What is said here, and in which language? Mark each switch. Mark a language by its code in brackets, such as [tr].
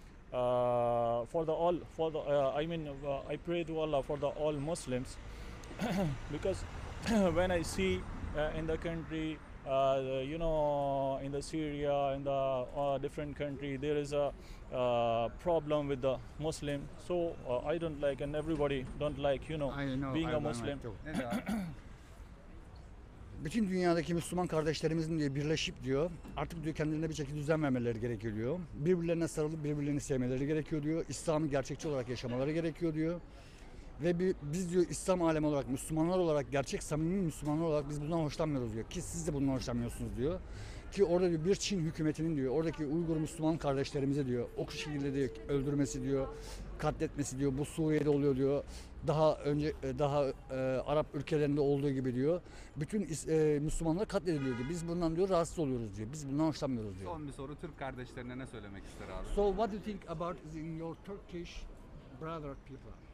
[en] for the all for the I mean I pray to Allah for the all Muslims because when I see in the country you know, in the Syria, in the different country, there is a problem with the Muslim. So I don't like, and everybody don't like, you know, being a Muslim. [tr] Bütün dünyadaki Müslüman kardeşlerimizin diye birleşip diyor, artık diyor kendilerine bir şekilde düzen vermeleri gerekiyor diyor. Birbirlerine sarılıp birbirlerini sevmeleri gerekiyor diyor. İslam'ı gerçekçi olarak yaşamaları gerekiyor diyor. Ve biz diyor İslam alemi olarak, Müslümanlar olarak, gerçek samimi Müslümanlar olarak biz bundan hoşlanmıyoruz diyor. Ki siz de bundan hoşlanmıyorsunuz diyor. Ki orada diyor bir Çin hükümetinin diyor oradaki Uygur Müslüman kardeşlerimize diyor o şekilde diyor öldürmesi diyor, katletmesi diyor, bu Suriye'de oluyor diyor. Daha önce daha Arap ülkelerinde olduğu gibi diyor. Bütün Müslümanlar katlediliyor diyor. Biz bundan diyor rahatsız oluyoruz diyor. Biz bundan hoşlanmıyoruz diyor. Son bir soru, Türk kardeşlerine ne söylemek ister abi? [en] So what do you think about is in your Turkish brother people?